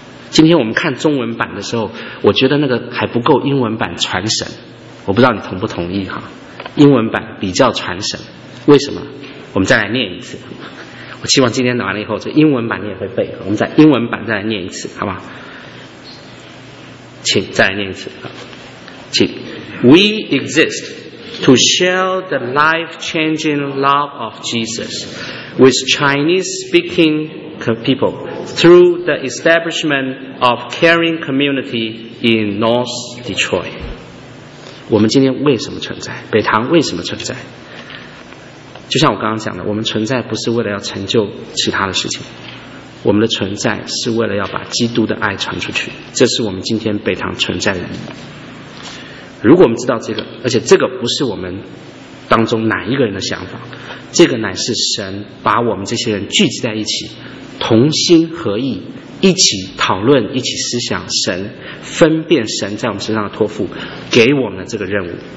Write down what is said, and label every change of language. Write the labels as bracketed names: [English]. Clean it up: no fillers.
[Chinese] 今天我们看中文版的时候，我觉得那个还不够英文版传神，我不知道你同不同意哈。英文版比较传神，为什么？我们再来念一次，我希望今天拿完了以后，这英文版你也会背。我们在英文版再来念一次，好吧？请再来念一次，请。 [English] We exist to share the life-changing love of Jesus with Chinese-speaking people through the establishment of caring community in North Detroit。 [Chinese] 我们今天为什么存在？北堂为什么存在？就像我刚刚讲的，我们存在不是为了要成就其他的事情，我们的存在是为了要把基督的爱传出去，这是我们今天北堂存在的意义。如果我们知道这个，而且这个不是我们当中哪一个人的想法，这个乃是神把我们这些人聚集在一起，同心合意，一起讨论，一起思想神，分辨神在我们身上的托付，给我们的这个任务。